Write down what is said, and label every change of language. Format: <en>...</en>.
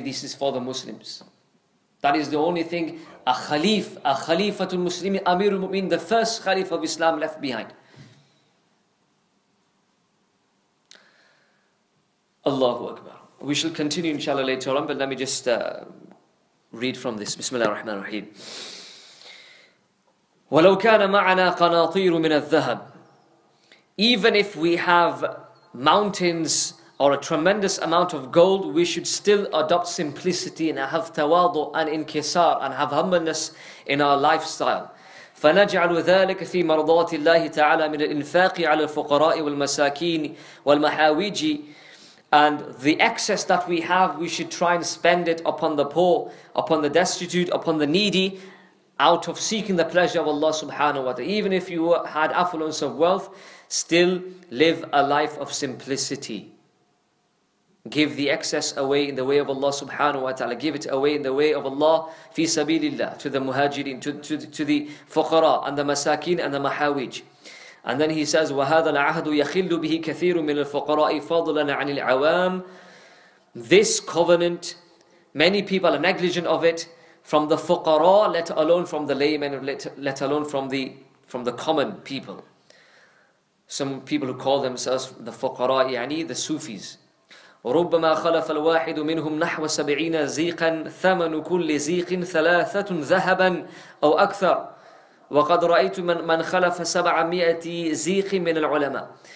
<en>This is for the Muslims." That is the only thing a khalifatul Muslimin, Amirul Mu'min, the first Khalif of Islam, left behind. Allahu Akbar. We shall continue inshallah later on, but let me just read from this.</en> <ar>Bismillah ar-Rahman ar-Rahim. وَلَوْ كَانَ مَعَنَا قَنَاطِيرُ مِنَ الذَّهَبِ. Even if we have</ar> <en>mountains or a tremendous amount of gold, we should still adopt simplicity and have tawadu and inkisar and have humbleness in our lifestyle.</en> <ar>فنجعل ذلك في مرضات الله تعالى من الإنفاق على الفقراء والمساكين والمحاويج.</ar> <en>And the excess that we have, we should try and spend it upon the poor, upon the destitute, upon the needy, out of seeking the pleasure of Allah subhanahu wa ta'ala. Even if you had affluence of wealth, still live a life of simplicity. Give the excess away in the way of Allah subhanahu wa ta'ala. Give it away in the way of Allah, fi sabilillah, to the muhajirin, to the fuqara, and the masakin, and the mahawij.</en> <ar>And then he says, وَهَذَا الْعَهْدُ يَخِلُّ بِهِ كَثِيرٌ مِنَ الْفُقَرَاءِ فَضْلًا عَنِ الْعَوَامِ.</ar> <en>This covenant, many people are negligent of it, from the fuqara, let alone from the laymen, let alone from the common people. Some people who call themselves the fuqara, يعني the Sufis.</en> <ar>وَرُبَّمَا خَلَفَ الْوَاحِدُ مِنْهُمْ نَحْوَ سَبْعِينَ زِيقًا ثَمَنُ كُلِّ زِيقٍ ثَلَاثَةٌ ذَهَبًا أَوْ أَكْثَرٌ وَقَدْ رَأَيْتُ مَنْ خَلَفَ سَبْعَ مِئَةِ زِيقٍ مِنَ الْعُلَمَةِ.</ar>